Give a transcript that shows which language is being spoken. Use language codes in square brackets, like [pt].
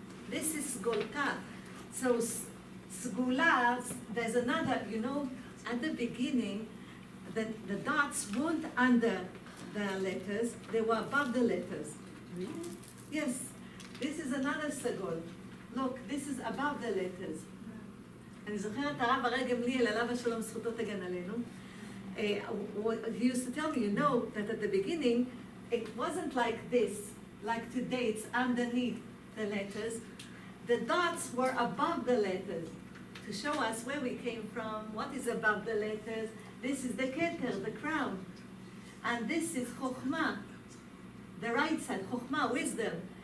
[en] This is segolta. So segula, there's another, you know, at the beginning, the dots weren't under the letters, they were above the letters. Really? Yes. This is another segol. Look, this is above the letters. [he] אני זוכרת הרב הרי גמליאל, עליו השלום זכותו תגן עלינו. [en] He used to tell me, you know, that at the beginning, it wasn't like this, like today, it's underneath the letters. The dots were above the letters, to show us where we came from, what is above the letters. This is the keter, the crown. And this is chokhmah, the right side, chokhmah, wisdom.